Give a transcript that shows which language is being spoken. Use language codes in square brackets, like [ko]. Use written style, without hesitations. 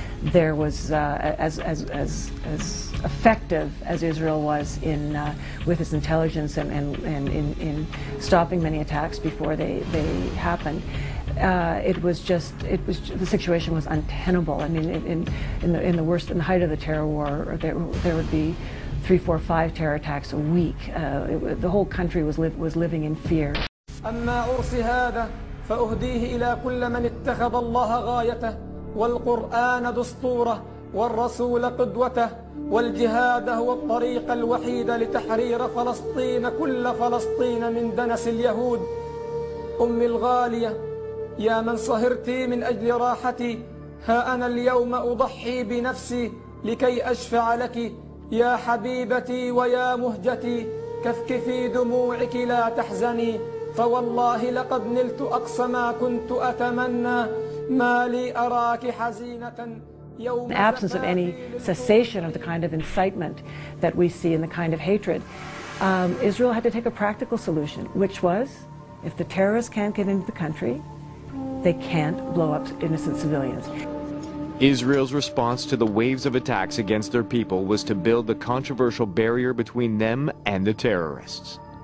[en] There was, as effective as Israel was in with its intelligence and in stopping many attacks before they happened, the situation was untenable. I mean, in the height of the terror war, there would be 3, 4, 5 terror attacks a week. The whole country was living in fear. [ar] أما أرسي هذا فأهديه إلى كل من اتخذ الله غايته والقرآن دستوره والرسول قدوته والجهاد هو الطريق الوحيد لتحرير فلسطين كل فلسطين من دنس اليهود أمي الغالية يا من صهرتي من أجل راحتي ها أنا اليوم أضحي بنفسي لكي أشفع لك يا حبيبتي ويا مهجتي كفكفي دموعك لا تحزني فوالله لقد نلت أقصى ما كنت أتمنى ما لي أراك حزينة يوم [en] In absence of any cessation of the kind of incitement that we see and the kind of hatred, Israel had to take a practical solution, which was, if the terrorists can't get into the country, they can't blow up innocent civilians. Israel's response to the waves of attacks against their people was to build the controversial barrier between them and the terrorists.